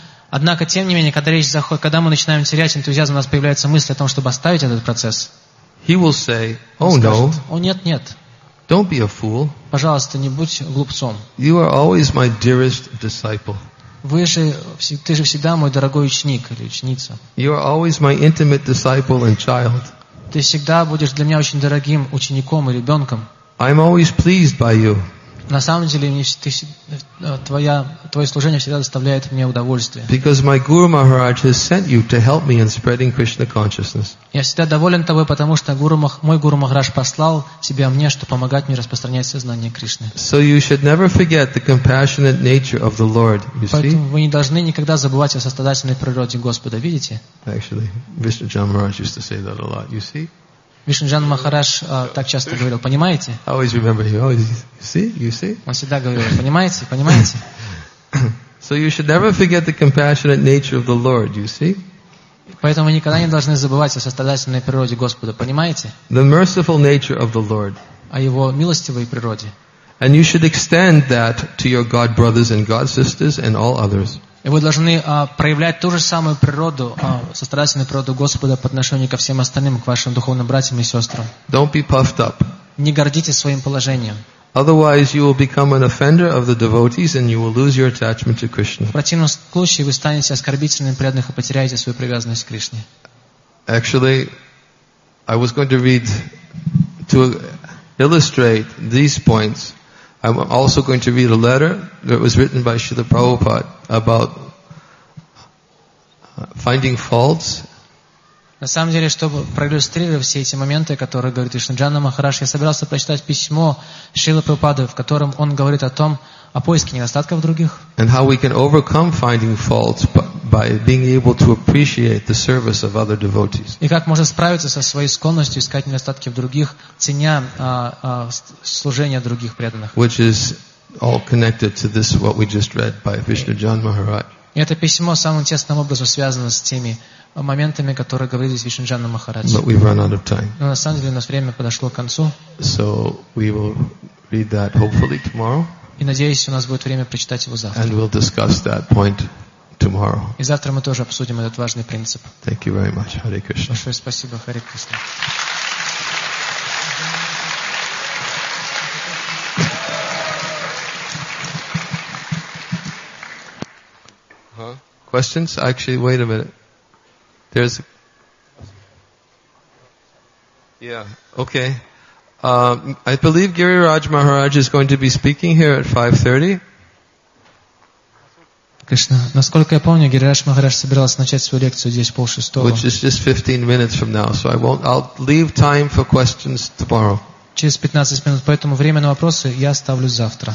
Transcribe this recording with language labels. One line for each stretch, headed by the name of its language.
Russian: однако, тем не менее, когда речь заходит, когда мы начинаем терять энтузиазм, у нас появляется мысль о том, чтобы оставить этот процесс.
English: He will say, "Oh no,
Russian: oh нет, нет,
English: don't be a fool.
Russian: Пожалуйста, не будь глупцом.
English: You are always my dearest disciple."
Russian: Ты же всегда мой дорогой ученик или ученица.
English: You are always my intimate disciple and child.
Russian: Ты всегда будешь для меня очень дорогим учеником и ребенком.
English: I'm always pleased by you.
Russian: На самом деле, твое служение всегда доставляет мне удовольствие.
English: Because my Guru Maharaj has sent you to help me in spreading Krishna consciousness.
Russian: Я всегда доволен тобой, потому что мой Гуру Махарадж послал тебя мне, чтобы помогать мне распространять сознание Кришны.
English: So you should never forget the compassionate nature of the Lord. You see?
Russian: Поэтому вы не должны никогда забывать о сострадательной природе Господа. Видите?
English: Actually, Vishnu Jan Maharaj used to say that a lot. You see?
Russian: Вишнуджан Махарадж так часто говорил, понимаете?
English: I always remember you. You see?
Russian: Он всегда говорил, понимаете?
English: So you should never forget the compassionate nature of the Lord, you see?
Russian: Поэтому вы никогда не должны забывать о сострадательной природе Господа, понимаете?
English: The merciful nature of the Lord.
Russian: О Его милостивой природе.
English: And you should extend that to your God brothers and God sisters and all others.
Russian: И вы должны проявлять ту же самую природу, сострадательную природу Господа по отношению ко всем остальным, к вашим духовным братьям и сестрам.
English: Don't be puffed up.
Russian: Не гордитесь своим положением.
English: Otherwise, you will become an offender of the devotees, and you will lose your attachment to Krishna.
Russian: В противном случае вы станете оскорбительным преданных и потеряете свою привязанность к Кришне.
English: Actually, I was going to read to illustrate these points. I'm also going to read a letter that was written by Srila Prabhupada about finding faults.
Russian: На самом деле, чтобы проиллюстрировать все эти моменты, которые говорит Вишнуджана Махарадж, я собирался прочитать письмо Шрилы Прабхупады, в котором он говорит о том, о поиске недостатков других.
English: And how we can overcome finding faults by being able to appreciate the service of other devotees.
Russian: И как можно справиться со своей склонностью искать недостатки в других, ценя служение других преданных.
English: Which is all connected to this what we just read by Vishnujan Maharaj.
Russian: И это письмо самым тесным образом связано с теми моментами, которые говорили с Вишнуджаном Махараджем.
English: But we've run out of time.
Russian: Но на самом деле у нас время подошло к концу.
English: So we will read that hopefully tomorrow.
Russian: И надеюсь, у нас будет время прочитать его завтра.
English: And we'll discuss that point tomorrow.
Russian: И завтра мы тоже обсудим этот важный принцип.
English: Thank you very much. Hare Krishna.
Russian: Большое спасибо. Hare Krishna.
English: Questions? Actually, wait a minute. There's a... Yeah, okay. I believe Giriraj Maharaj is going to be speaking here at 5:30.
Russian: Krishna, насколько я помню, Giriraj Maharaj собирался начать свою лекцию здесь в 6:30.
English: Which is just 15 minutes from now, so I'll leave time for questions tomorrow.
Russian: Через 15 минут, поэтому время на вопросы я оставлю завтра.